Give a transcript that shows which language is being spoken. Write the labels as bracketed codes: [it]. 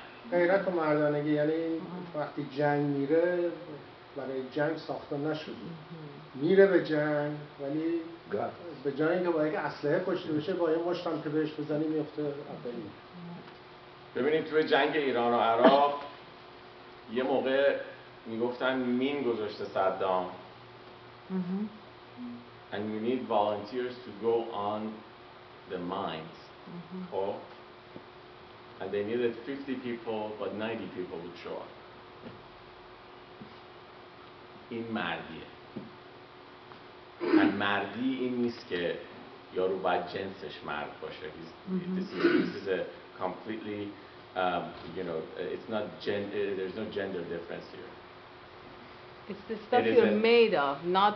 [fa] غیرت و مردانگی یعنی وقتی جنگ میره برای جنگ ساخته نشده میره به جنگ ولی به جنگ اینکه باید اسلحه کشته بشه با یه مشت هم که بهش بزنی میفته اولی. ببینید توی جنگ ایران و عراق یه موقع میگفتن مین گذاشته صدام [en] and you need volunteers to go on the mines. And they needed 50 people, but 90 people would show up. [fa] این مردیه. And مردی این نیست که یارو باید جنسش مرد باشه. [en] This is a completely, you know, it's not there's no gender difference here. It's the stuff it you're made of, not